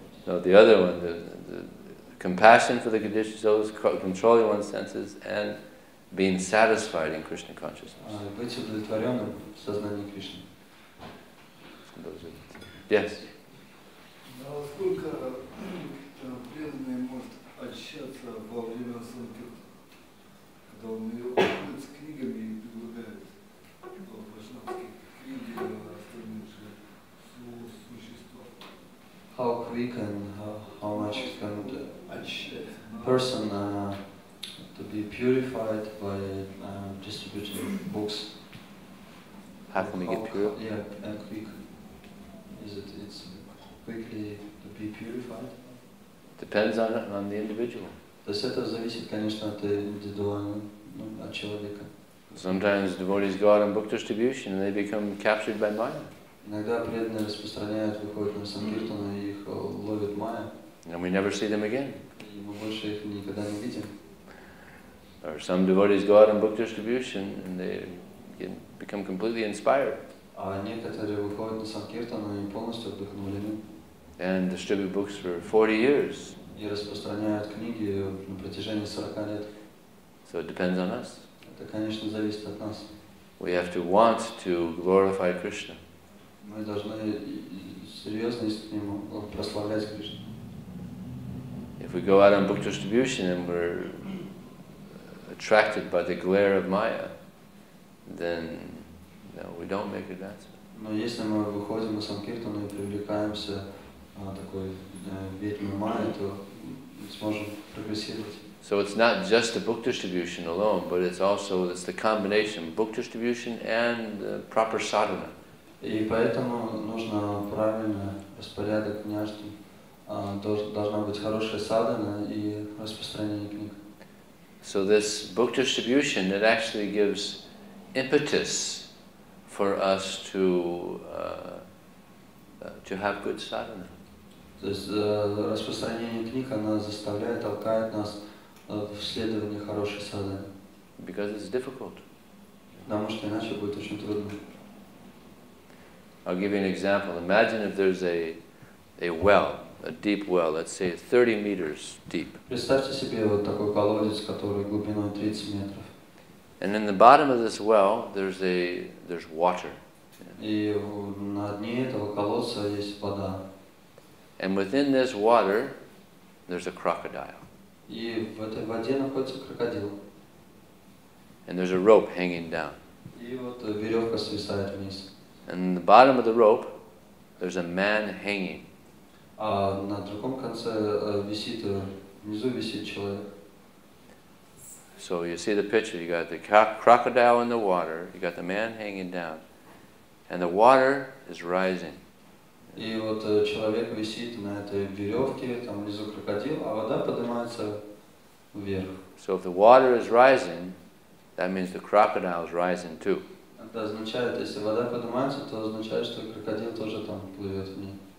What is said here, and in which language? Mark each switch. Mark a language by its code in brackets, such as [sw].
[en] No, the other one, the compassion for the conditioned souls, controlling one's senses, and being satisfied in Krishna consciousness. [ru] Быть удовлетворенным в сознании Кришны. [en] Yes. [ru] Насколько преданный может очищаться во время санкирты, когда он ее учит с книгами и предлагает вашнавские книги, остальные же существа? [en] How quick and how much can the person to be purified by distributing books? How can we get pure? Yeah, and quick. Is it? It's quickly to be purified. Depends on the individual. Does [ru] это зависит, конечно, от индивидуально, от человека. [en] Sometimes devotees go out on book distribution and they become captured by Maya. [ru] Иногда преданные распространяют, выходят на санкиртану и их ловят майя. [en] And we never see them again. [ru] И мы больше их никогда не видим. [en] Or some devotees go out on book distribution and they become completely inspired. [ru] А некоторые выходят на санкиртану и полностью вдохновлены. [en] And distribute books for 40 years. [ru] И распространяют книги на протяжении 40 лет. [en] So it depends on us. [ru] Это, конечно, зависит от нас. [en] We have to want to glorify Krishna. [ru] Мы должны серьезно прославлять Кришну. [en] If we go out on book distribution and we're attracted by the glare of Maya, then no, we don't make advancement. [ru] Но если мы выходим на санкиртану и привлекаемся такой ведьмой Майя, то мы сможем прогрессировать. [en] So it's not just the book distribution alone, but it's the combination book distribution and proper sadhana. [ru] И поэтому нужно правильно распорядок княжки. Должна быть хорошая садхана и распространение книг. [en] So this book distribution, it actually gives impetus for us to have good sadhana. [ru] То есть распространение книг, она заставляет, толкает нас в следование хорошей садхане. [en] Because it's difficult. [ru] Потому что иначе будет очень трудно. [en] I'll give you an example. Imagine if there's a well, a deep well, let's say 30 meters deep. [ru] Представьте себе вот такой колодец, который глубиной 30 метров. [en] And in the bottom of this well, there's water. [ru] И на дне этого колодца есть вода. [en] And within this water, there's a crocodile. [ru] И в этой воде находится крокодил. [en] And there's a rope hanging down. [ru] И вот веревка свисает вниз. [en] And in the bottom of the rope, there's a man hanging. [ru] А на другом конце висит, внизу висит человек. [en] So you see the picture. You got the crocodile in the water. You got the man hanging down. And the water is rising. [ru] И вот человек висит на этой веревке, там внизу крокодил, а вода поднимается вверх. [en] So if the water is rising, that means the crocodile is rising too. [ru] Это означает, если вода поднимается, то означает, что крокодил тоже там плывет в ней.